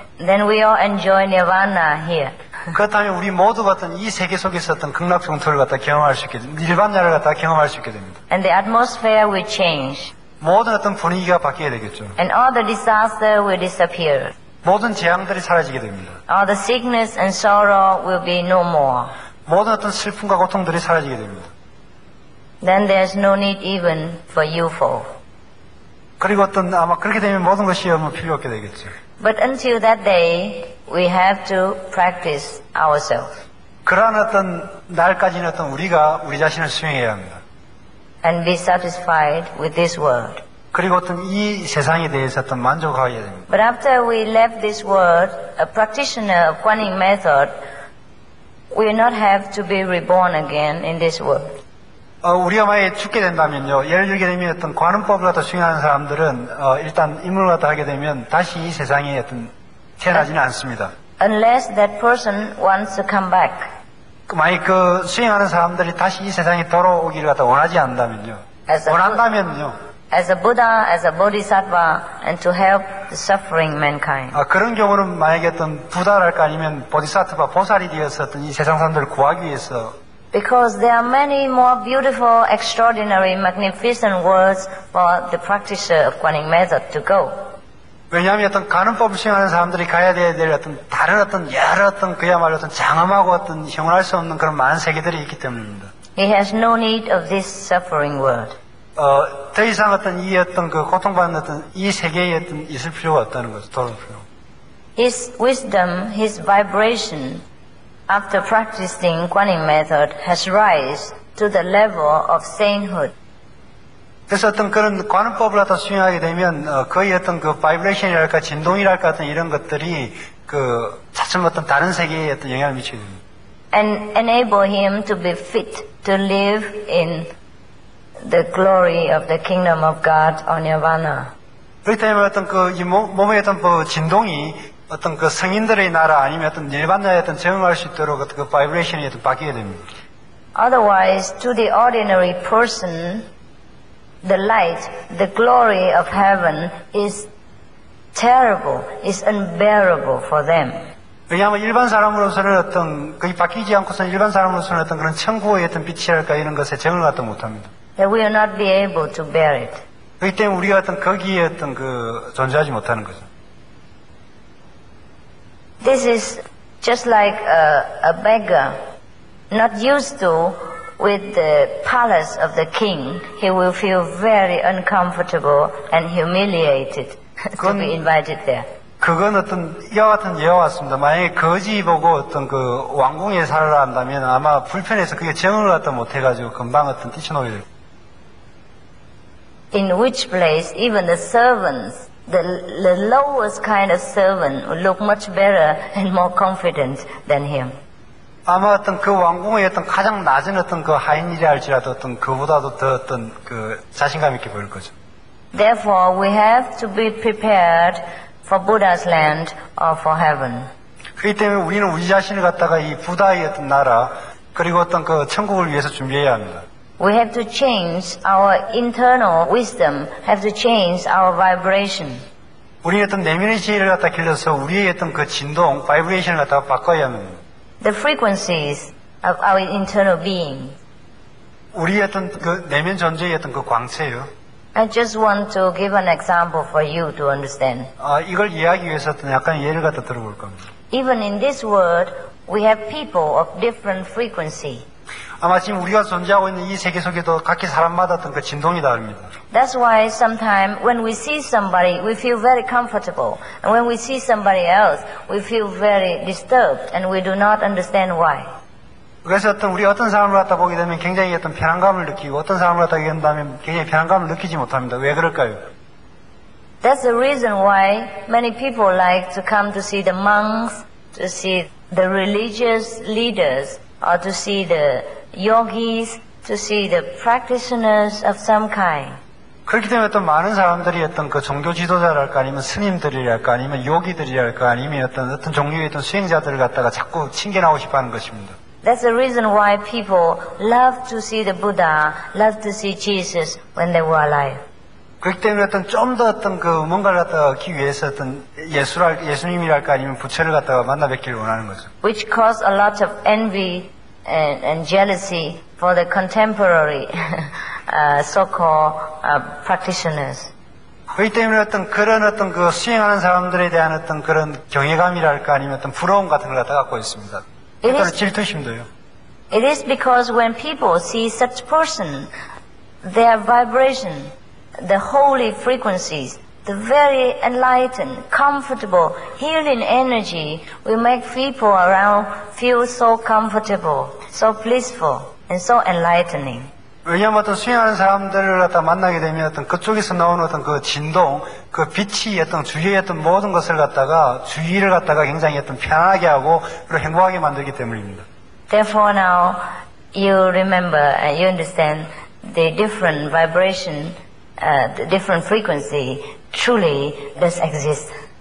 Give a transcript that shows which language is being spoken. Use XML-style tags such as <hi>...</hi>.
<en>Then we all enjoy nirvana here.</en> <ko>그렇다면 우리 모두 같은 이 세계 속에서 어떤 극락 정토를 갖다 경험할 수 있게 됩니다. 일반자를 갖다 경험할 수 있게 됩니다.</ko> <en>And the atmosphere will change.</en> <ko>모든 어떤 분위기가 바뀌게 되겠죠.</ko> <en>And all the disaster will disappear.</en> <ko>모든 재앙들이 사라지게 됩니다.</ko> <en>All the sickness and sorrow will be no more.</en> <ko>모든 어떤 슬픔과 고통들이 사라지게 됩니다.</ko> <en>Then there's no need even for UFO.</en> <ko>그리고 어떤 아마 그렇게 되면 모든 것이 아마 필요 없게 되겠죠.</ko> <en>But until that day, we have to practice ourselves.</en> <ko>그러한 어떤 날까지는 어떤 우리가 우리 자신을 수행해야 합니다.</ko> <en>And be satisfied with this world.</en> <ko>그리고 어떤 이 세상에 대해서 어떤 만족해야 됩니다.</ko> <en>But after we left this world, a practitioner of Guan Yin method will not have to be reborn again in this world.</en> <ko>우리가 만약에 죽게 된다면요, 예를 들게 되면 어떤 관음법을 갖다 수행하는 사람들은 일단 임무를 갖다 하게 되면 다시 이 세상에 어떤 태어나지는 않습니다.</ko> <en>Unless that person wants to come back.</en> <ko>만약 그 수행하는 사람들이 다시 이 세상에 돌아오기를 갖다 원하지 않는다면요, 원한다면요.</ko> <en>As a Buddha, as a Bodhisattva, and to help the suffering mankind.</en> <ko>그런 경우는 만약에 어떤 부다랄까 아니면 보디사트바 보살이 되어서 어떤 이 세상 사람들 구하기 위해서.</ko> <en>Because there are many more beautiful, extraordinary, magnificent worlds for the practitioner of Guan Yin method to go.</en> <ko>왜냐하면 어떤 관음법을 수행하는 사람들이 가야 될 어떤 다른 어떤 여러 어떤 그야말로 어떤 장엄하고 어떤 형언할 수 없는 그런 많은 세계들이 있기 때문입니다.</ko> <en>He has no need of this suffering world.</en> <ko>더 이상 어떤 이 어떤 그 고통받는 어떤 이 세계에 어떤 있을 필요가 없다는 거죠. 돌아올 필요.</ko> <en>His wisdom, his vibration. After practicing Guan Yin method, has rise to the level of sainthood.</en> <ko>그래서 어떤 그런 관음법을 갖다 수행하게 되면 거의 어떤 그 바이브레이션이랄까 진동이랄까 어떤 이런 것들이 그 자칫 어떤 다른 세계에 어떤 영향을 미치게 됩니다.</ko> <en>And enable him to be fit to live in the glory of the kingdom of God or Nirvana.</en> <ko>그렇다면 어떤 그 이 몸에 어떤 그 진동이 어떤 그 성인들의 나라 아니면 어떤 일반자의 어떤 체험할 수 있도록 그 바이브레이션이 어떤 바뀌게 됩니다.</ko> <en>Otherwise, to the ordinary person, the light, the glory of heaven is terrible, is unbearable for them.</en> <ko>왜냐하면 일반 사람으로서는 어떤 거의 바뀌지 않고서 일반 사람으로서는 어떤 그런 천국의 어떤 빛이랄까 이런 것에 정을 갖다 못합니다.</ko> <en>They will not be able to bear it.</en> <ko>그렇기 때문에 우리가 어떤 거기에 어떤 그 존재하지 못하는 거죠.</ko> <en>This is just like a beggar, not used to with the palace of the king. He will feel very uncomfortable and humiliated to be invited there.</en> <ko>그건 어떤 이와 같은 예와 같습니다. 만약에 거지 보고 어떤 그 왕궁에 살아라 한다면 아마 불편해서 그게 정을 갖다 못 해가지고 금방 어떤 뛰쳐나오게 돼요.</ko> <en>In which place even the servants, the lowest kind of servant, would look much better and more confident than him.</en> <ko>아마 어떤 그 왕궁의 어떤 가장 낮은 어떤 그 하인이라 할지라도 어떤 그보다도 더 어떤 그 자신감 있게 보일 거죠.</ko> <en>Therefore, we have to be prepared for Buddha's land or for heaven.</en> <ko>그렇기 때문에 우리는 우리 자신을 갖다가 이 부다의 어떤 나라 그리고 어떤 그 천국을 위해서 준비해야 합니다.</ko> <en>We have to change our internal wisdom, have to change our vibration.</en> <ko>우리의 어떤 내면의 지혜를 갖다 길러서 우리의 어떤 그 진동, 바이브레이션을 갖다 바꿔야 합니다.</ko> <en>The frequencies of our internal being.</en> <ko>우리의 어떤 그 내면 존재의 어떤 그 광채요.</ko> <en>I just want to give an example for you to understand.</en> <ko>아, 이걸 이해하기 위해서 어떤 약간 예를 갖다 들어볼 겁니다.</ko> <en>Even in this world, we have people of different frequency.</en> <ko>아마 지금 우리가 존재하고 있는 이 세계 속에도 각기 사람마다 어떤 그 진동이 다릅니다.</ko> <en>That's why sometimes when we see somebody, we feel very comfortable. And when we see somebody else, we feel very disturbed and we do not understand why.</en> <ko>그래서 어떤 우리 어떤 사람을 갖다 보게 되면 굉장히 어떤 편안감을 느끼고 어떤 사람을 갖다 보게 된다면 굉장히 편안감을 느끼지 못합니다. 왜 그럴까요?</ko> <en>That's the reason why many people like to come to see the monks, to see the religious leaders, or to see the yogis, to see the practitioners of some kind.</en> <ko>그렇기 때문에 또 많은 사람들이 어떤 그 종교 지도자랄까 아니면 스님들이랄까 아니면 요기들이랄까 아니면 어떤 종류의 어떤 수행자들을 갖다가 자꾸 챙겨나오고 싶어 하는 것입니다.</ko> <en>That's the reason why people love to see the Buddha, love to see Jesus when they were alive.</en> <ko>그렇기 때문에 어떤 좀 더 어떤 그 뭔가를 갖다가 얻기 위해서 어떤 예수님이랄까 아니면 부처를 갖다가 만나 뵙기를 원하는 거죠.</ko> <en>Which caused a lot of envy and jealousy for the contemporary so-called practitioners.</en> <ko>그렇기 때문에 어떤 그런 어떤 그 수행하는 사람들에 대한 어떤 그런 경외감이랄까 아니면 어떤 부러움 같은 걸 갖다 갖고 있습니다. 그런 질투심도요.</ko> <en>It is because when people see such person, their vibration, the holy frequencies, the very enlightened, comfortable, healing energy will make people around feel so comfortable, so blissful, and so enlightening.</en> <ko>왜냐하면 어떤 수행하는 사람들을 갖다 만나게 되면 어떤 그쪽에서 나오는 어떤 그 진동, 그 빛이 어떤 주위에 어떤 모든 것을 갖다가 주위를 갖다가 굉장히 어떤 편안하게 하고 그리고 행복하게 만들기 때문입니다.</ko> <en>Therefore now you remember and you understand the different vibration the different frequency truly does exist.</en>